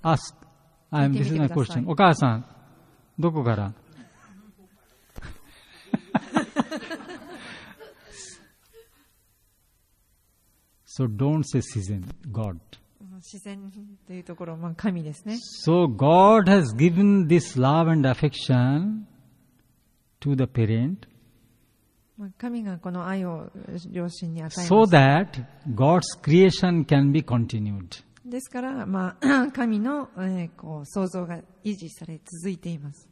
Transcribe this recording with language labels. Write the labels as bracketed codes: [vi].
[en] Ask. I'm this is my question. [ja] お母さん、どこから？ [en] So don't say season, God. [ja] 自然というところ、神ですね。 [en] So God has given this love and affection to the parent. [ja] 神がこの愛を両親に与えました。 [en] So that God's creation can be continued. [ja] ですから、神の、創造が維持され続いています。